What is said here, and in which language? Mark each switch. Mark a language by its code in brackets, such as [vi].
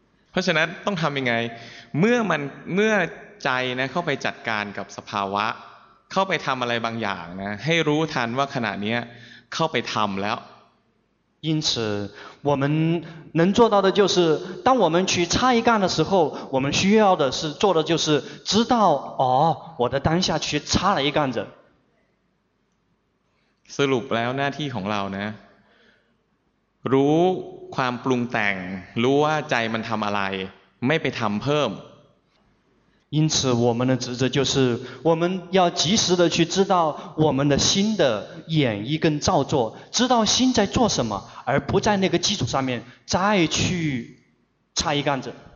[th] เพราะฉะนั้นต้องทำยังไงเมื่อใจนะเข้าไปจัดการกับสภาวะเข้าไปทำอะไรบางอย่างนะให้รู้ทันว่าขณะนี้เข้าไปทำแล้ว [zh] 因此我们能做到的就是当我们去插一杆的时候我们需要的是做的就是知道哦我的当下去插了一杆子 [th] สรุปแล้วหน้าที่ของเรานะรู้ความปรุงแต่งรู้ว่าใจมันทำอะไรไม่ไปทำเพิ่ม [zh] 因此我们的职责就是我们要及时的去知道我们的心的演绎跟造作知道心在做什么而不在那个基础上面再去插一杆子